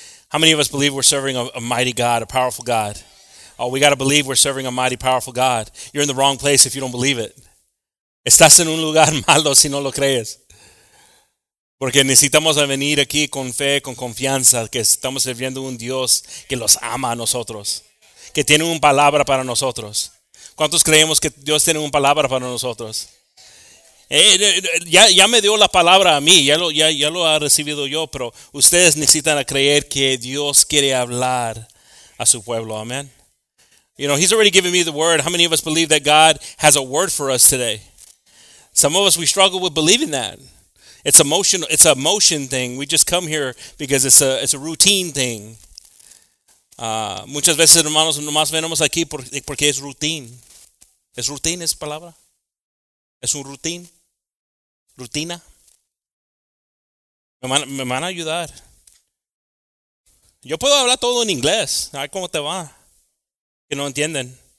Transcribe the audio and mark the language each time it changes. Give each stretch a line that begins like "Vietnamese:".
English: How many of us believe we're serving a mighty God, a powerful God? Oh, we got to believe we're serving a mighty, powerful God. You're in the wrong place if you don't believe it.
Spanish: Estás en un lugar malo si no lo crees. Porque necesitamos venir aquí con fe, con confianza, que estamos sirviendo un Dios que los ama a nosotros, que tiene una palabra para nosotros. ¿Cuántos creemos que Dios tiene una palabra para nosotros? Ya me dio la palabra a mí, ya lo ha recibido yo, pero ustedes necesitan creer que Dios quiere hablar a su pueblo, amén.
English: You know, he's already given me the word. How many of us believe that God has a word for us today? Some of us, we struggle with believing that. It's emotional. It's a motion thing. We just come here because it's a routine thing.
Spanish: Muchas veces, hermanos, nomás venimos aquí porque es routine. ¿Es routine esa palabra? ¿Es un routine? ¿Rutina? ¿Me van a ayudar? Yo puedo hablar todo en inglés. Ay, ¿cómo te va? Que no entienden.